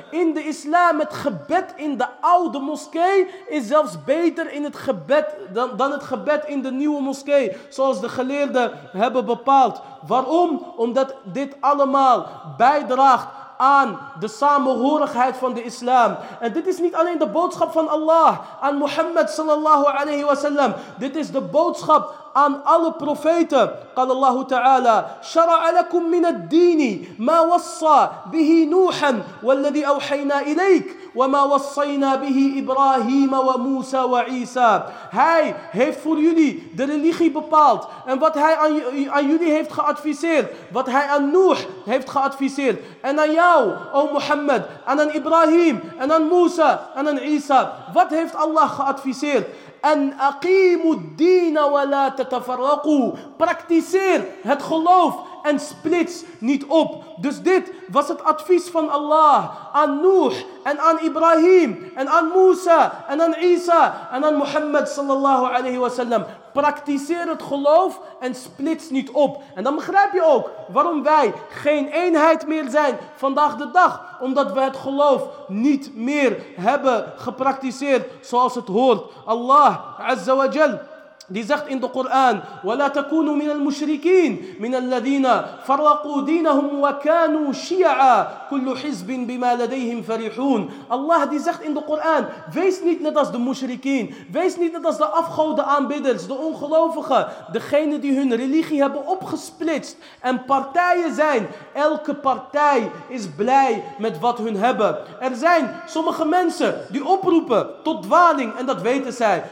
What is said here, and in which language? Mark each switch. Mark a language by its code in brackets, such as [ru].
[nl] In de islam, het gebed in de oude moskee is zelfs beter in het gebed dan het gebed in de nieuwe moskee, zoals de geleerden hebben bepaald. Waarom? Omdat dit allemaal bijdraagt aan de samenhorigheid van de islam. En dit is niet alleen de boodschap van Allah aan Mohammed sallallahu alayhi wa sallam. Dit is de boodschap aan alle profeten. [ar] قال الله تعالى شرع لكم من الدين ما وصى به نوحا والذي أوحينا إليك وما وصينا به إبراهيم وموسى وعيسى. [nl] Hij heeft voor jullie de religie bepaald en wat hij aan jullie heeft geadviseerd, wat hij aan Noah heeft geadviseerd en aan jou, o Mohammed, en aan Ibrahim en aan Musa en aan Isa. Wat heeft Allah geadviseerd? [ar] En aqimu ad-din wa la tatafarraqu. [nl] Praktiseer het geloof en splits niet op. Dus dit was het advies van Allah aan Noah en aan Ibrahim en aan Musa en aan Isa en aan Mohammed sallallahu alayhi wa sallam. Praktiseer het geloof en splits niet op. En dan begrijp je ook waarom wij geen eenheid meer zijn vandaag de dag. Omdat we het geloof niet meer hebben gepraktiseerd zoals het hoort. Allah Azza wa Jal die zegt in de Koran, [ar] وَلَا تَكُونُوا مِنَ الْمُشْرِكِينَ مِنَ الَّذِينَ فَرَّقُوا دِينَهُمْ وَكَانُوا شِيَعًا كُلُّ حِزْبٍ بِمَا لَدَيْهِمْ فَرِحُونَ. [nl] Allah die zegt in de Koran, wees niet net als de mushrikien, wees niet net als de afgoden aanbidders, de ongelovigen, degene die hun religie hebben opgesplitst en partijen zijn. Elke partij is blij met wat hun hebben. Er zijn sommige mensen die oproepen tot dwaling en dat weten zij.